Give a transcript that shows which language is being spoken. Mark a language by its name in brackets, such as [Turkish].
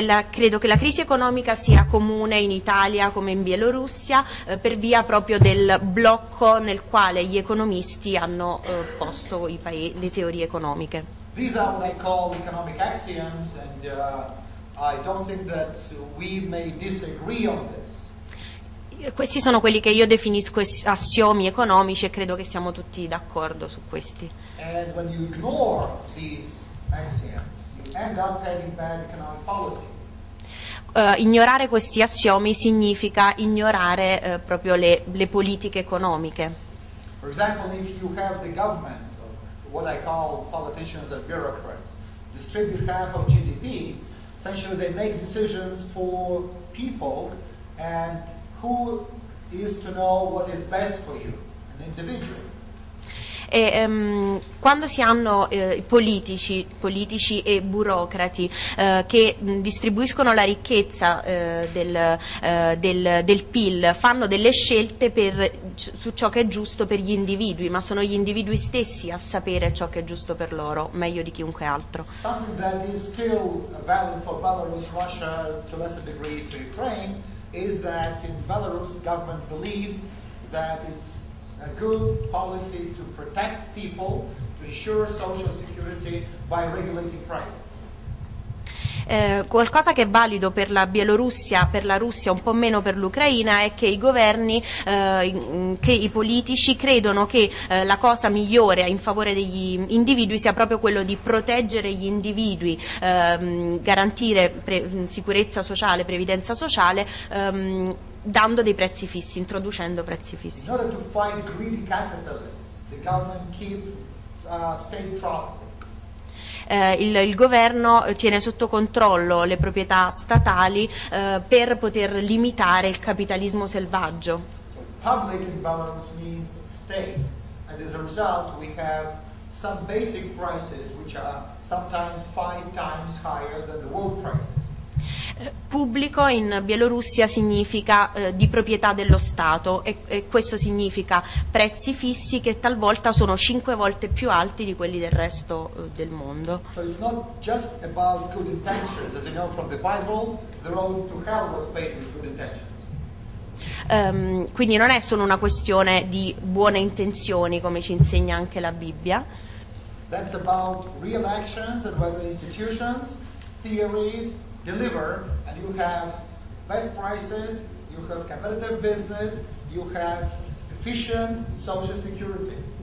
[Italian] Credo che la crisi economica sia comune in Italia come in Bielorussia per via proprio del blocco nel quale gli economisti hanno posto le teorie economiche. [English] These are what I call economic axioms, and I don't think that we may disagree on this. [Italian] Questi sono quelli che io definisco assiomi economici e credo che siamo tutti d'accordo su questi. [English] And when you ignore these axioms, end up having bad economic policy. [Italian] Ignorare questi assiomi significa ignorare proprio le politiche economiche. [English] For example, if you have the government, what I call politicians and bureaucrats, distribute half of GDP, essentially they make decisions for people, and who is to know what is best for you, an individual. [Italian] E quando si hanno politici e burocrati che distribuiscono la ricchezza del PIL, fanno delle scelte su ciò che è giusto per gli individui, ma sono gli individui stessi a sapere ciò che è giusto per loro, meglio di chiunque altro. [English] Something that is still valid for Belarus, Russia, to a lesser degree to Ukraine, is that in Belarus, government believes that it's a good policy to protect people, to ensure social security by regulating prices. [Italian] Qualcosa che è valido per la Bielorussia, per la Russia, un po' meno per l'Ucraina, è che i governi, che i politici credono che la cosa migliore in favore degli individui sia proprio quello di proteggere gli individui, garantire sicurezza sociale, previdenza sociale, dando dei prezzi fissi, introducendo prezzi fissi. [English] In order to fight greedy capitalists, the government keeps state property. [Italian] Il governo tiene sotto controllo le proprietà statali per poter limitare il capitalismo selvaggio. [English] So public imbalance means state, and as a result we have some basic prices which are sometimes five times higher than the world prices. [Italian] Pubblico in Bielorussia significa di proprietà dello Stato e questo significa prezzi fissi che talvolta sono 5 volte più alti di quelli del resto del mondo. [English] So it's not just about good intentions, as you know from the Bible, the road to hell was paved with good intentions. [Italian] Quindi non è solo una questione di buone intenzioni, come ci insegna anche la Bibbia. [English] That's about real actions and whether institutions, theories deliver, and you have best prices, you have competitive business, you have efficient social security.